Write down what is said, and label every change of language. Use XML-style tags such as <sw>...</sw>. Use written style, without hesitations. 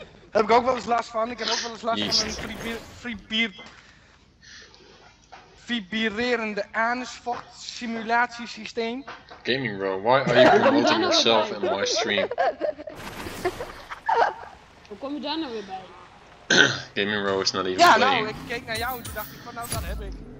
<nl>Heb ik ook wel eens last van, ik heb ook wel eens last van een vibrerende anusvocht simulatiesysteem.</nl> <en>Gaming bro, why are you promoting yourself in my stream?</en> <nl>Hoe kom je daar nou weer bij?</nl> <en>Gaming bro is not even playing.</en> <nl>Ja nou, ik keek naar jou en toen dacht ik van nou dat heb ik.</nl>